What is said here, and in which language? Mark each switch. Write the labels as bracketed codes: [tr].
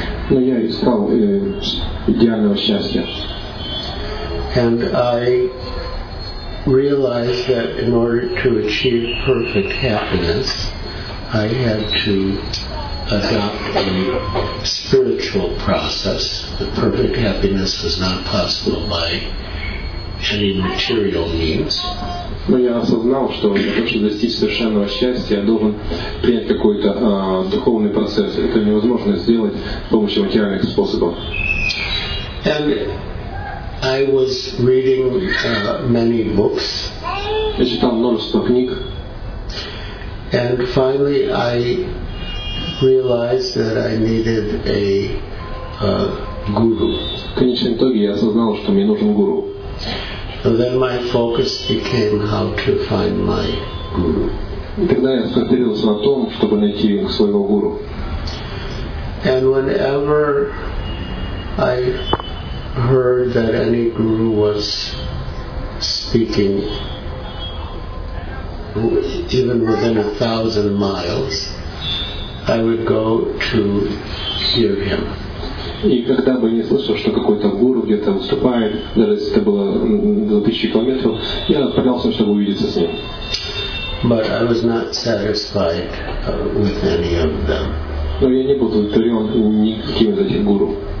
[ru] Но я искал идеального счастья. [en] And I realized that in order to achieve perfect happiness, I had to adopt a spiritual process. The perfect happiness was not possible by any material means. [ru] Но я осознал, что для того, чтобы достичь совершенного счастья, я должен принять какой-то духовный процесс. Это невозможно сделать с помощью материальных способов. [en] And I was reading many books. [ru] Я читал множество книг. [en] And finally I realized that I needed a guru. [ru] В конечном итоге я осознал, что мне нужен гуру. [en] So then my focus became how to find my guru. [ru] Тогда я сконцентрировался на том, чтобы найти своего гуру. [en] And whenever I heard that any guru was speaking, even within 1,000 miles, I would go to hear him. [ru] И когда бы не слышал, что какой-то гуру где-то выступает, даже если это было 2000 километров, я отправлялся, чтобы увидеться с ним. [en] But I was not satisfied with any of them. [ru] Но я не был удовлетворен никаким из этих гуру.